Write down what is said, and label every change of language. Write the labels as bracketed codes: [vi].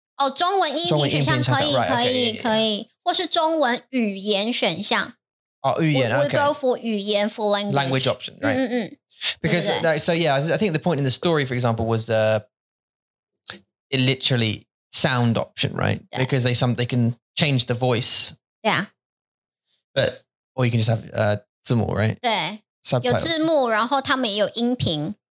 [zh] 哦、oh, ，中文音频选项可以，可以，可以，或是中文语言选项。哦、oh, ，语言 [en] ，OK。 We go for 语言 for language language option， right？ [zh] 嗯嗯。 [en] Because, [zh] 对对 [en] so yeah, I think the point in the story, for example, was it literally sound option, right? Because they can change the voice. Yeah. But, or you can just have 字幕, right? [zh] 对, 有字幕,然后他们也有音频。